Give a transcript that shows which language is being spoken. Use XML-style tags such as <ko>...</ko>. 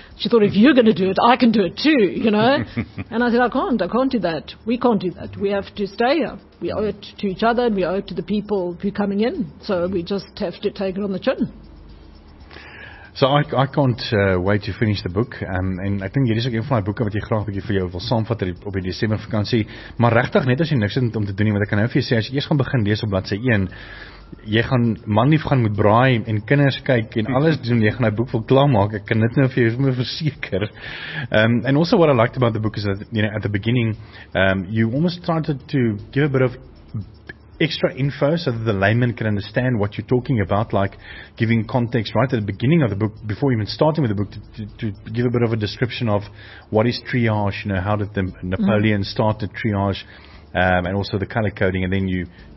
<en>She thought, if you're going to do it, I can do it too, you know. And I said, I can't do that. We can't do that. We have to stay here. We owe it to each other, and we owe it to the people who are coming in. So we just have to take it on the chin. So I can't wait to finish the book.</en> <af>En ek dink hierdie is ook een van my boeke wat jy graag bietjie vir jou wil saamvat op die Desember vakansie. Maar regtig, net as jy niks het om te doen nie, want ek kan nou vir jou sê, as jy eers gaan begin lees op bladsy 1, jy gaan manlief gaan moet braai en kinders kyk en alles doen, jy gaan die boek wil klaarmaak. Ek kan dit nou vir jou sommer verseker.</af> <en>And also what I liked about the book is that, you know, at the beginning, you almost started to give a bit of extra info so that the layman can understand what you're talking about, like giving context right at the beginning of the book, before even starting with the book, to give a bit of a description of what is triage, you know, how did the Napoleon start the triage, and also the color coding, and then you</en>